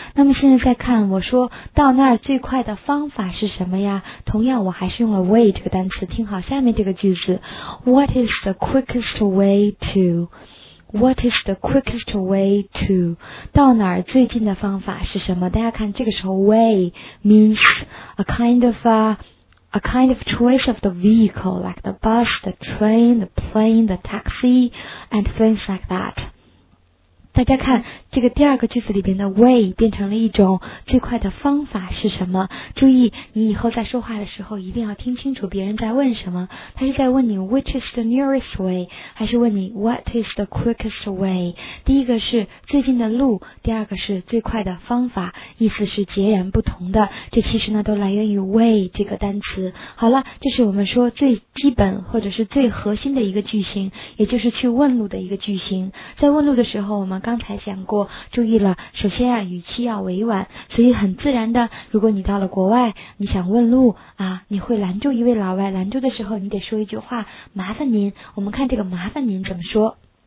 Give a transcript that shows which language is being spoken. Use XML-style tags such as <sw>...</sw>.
<zh>那么现在再看，我说到那儿最快的方法是什么呀？同样我还是用了 way 这个单词，听好下面这个句子。</zh> <en>What is the quickest way to? What is the quickest way to?</en> <zh>到哪儿最近的方法是什么？大家看，这个时候</zh> <en>way means a kind of choice of the vehicle, like the bus, the train, the plane, the taxi, and things like that.</en> <zh>大家看，这个第二个句子里边的 way 变成了一种最快的方法是什么？注意，你以后在说话的时候一定要听清楚别人在问什么。他是在问你</zh> <en>which is the nearest way,</en> <zh>还是问你</zh> <en>what is the quickest way?</en> <zh>第一个是最近的路，第二个是最快的方法，意思是截然不同的。这其实呢都来源于 way 这个单词。好了，这是我们说最基本或者是最核心的一个句型，也就是去问路的一个句型。在问路的时候，我们刚才讲过，注意了，首先啊，语气要委婉，所以很自然的，如果你到了国外，你想问路啊，你会拦住一位老外，拦住的时候，你得说一句话，麻烦您。我们看这个麻烦您怎么说。</zh>